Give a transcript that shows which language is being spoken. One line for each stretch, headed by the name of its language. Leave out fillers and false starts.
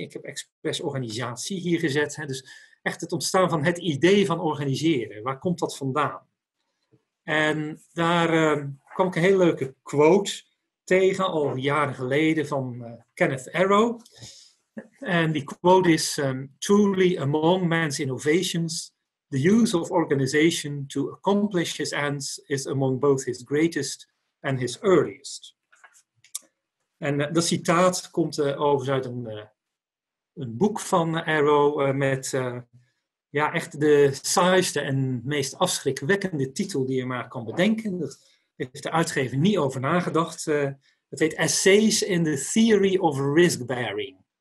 Dutch: Ik heb expres organisatie hier gezet. Hè, dus echt het ontstaan van het idee van organiseren. Waar komt dat vandaan? En daar kwam ik een hele leuke quote tegen al jaren geleden van Kenneth Arrow. En die quote is...
English: Truly among man's innovations, the use of organization to accomplish his ends is among both his greatest... en his earliest.
Dutch: En dat citaat komt overigens uit een boek van Arrow met echt de saaiste en meest afschrikwekkende titel die je maar kan bedenken. Dat heeft de uitgever niet over nagedacht. Het heet Essays in the Theory of Risk Bearing.